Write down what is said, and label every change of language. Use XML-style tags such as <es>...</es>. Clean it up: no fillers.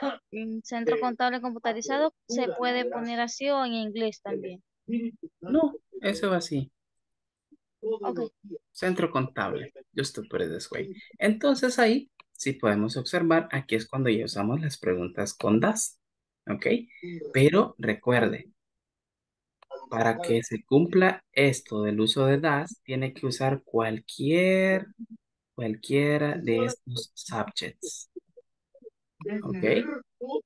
<es>En centro contable computarizado se puede poner así o en inglés también. No, eso va así. Okay.</es> <en>Centro contable, just to put it this way.</en> <es>Entonces ahí, si podemos observar, aquí es cuando ya usamos las preguntas con das, ¿Ok? Pero recuerde, para que se cumpla esto del uso de does, tiene que usar cualquiera de estos subjects. ¿Ok?</es>